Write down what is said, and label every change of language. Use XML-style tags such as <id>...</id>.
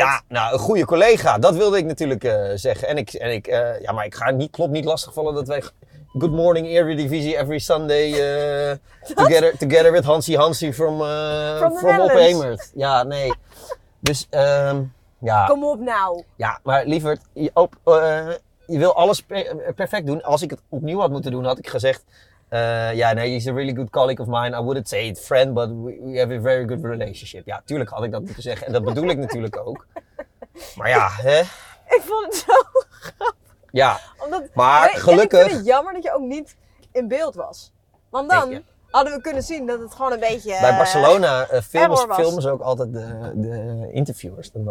<nl>Ja, nou, een goede collega. Dat wilde ik natuurlijk zeggen. Maar ik ga niet, klopt niet lastigvallen dat wij...</nl> <en>Good morning, Eredivisie, every Sunday together with Hansie from Opheemert.</en> <nl>Ja, nee. Dus, ja. Kom op nou. Ja, maar lieverd, je wil alles perfect doen. Als ik het opnieuw had moeten doen, had ik gezegd...</nl> <en>he's a really good colleague of mine. I wouldn't say it friend, but we have a very good relationship.</en> <nl>Ja, tuurlijk had ik dat moeten zeggen. En dat bedoel ik natuurlijk ook. Maar ja, hè. Ik vond het zo grappig. Ja, ik vind het jammer dat je ook niet in beeld was. Want dan hadden we kunnen zien dat het gewoon een beetje... Bij Barcelona filmen ze ook altijd de interviewers.</nl>